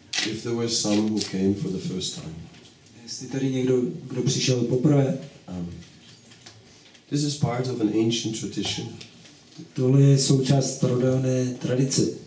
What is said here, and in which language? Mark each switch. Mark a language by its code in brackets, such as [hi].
[en] If there were some who came for the first time. [cs] Jestli tady někdo, kdo přišel poprvé. [en] This is part of an ancient tradition. [cs] Tohle je součást starodávné tradice.